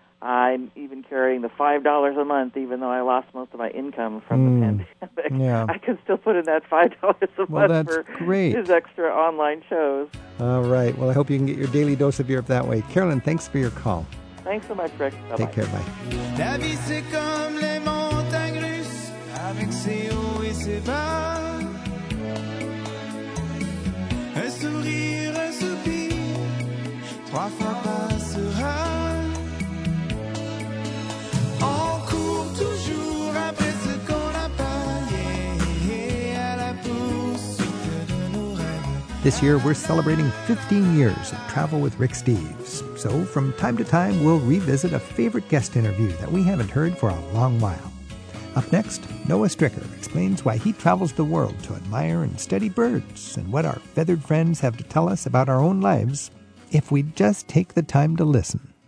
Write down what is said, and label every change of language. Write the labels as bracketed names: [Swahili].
[English] I'm even carrying the $5 a month, even though I lost most of my income from the pandemic. Yeah. I can still put in that $5 a month that's great. His extra online shows. All right. Well, I hope you can get your daily dose of Europe that way. Carolyn, thanks for your call. Thanks so much, Rick. Bye-bye. Take care. Bye. [French] La vie, c'est comme les montagnes russes, avec ses hauts et ses bas. Un sourire, un soupir, trois fois passera. On court toujours après ce qu'on a pas, yeah, yeah, à la poursuite de nos rêves. [English] This year, we're celebrating 15 years of travel with Rick Steves. So, from time to time, we'll revisit a favorite guest interview that we haven't heard for a long while. Up next, Noah Stricker explains why he travels the world to admire and study birds and what our feathered friends have to tell us about our own lives if we just take the time to listen.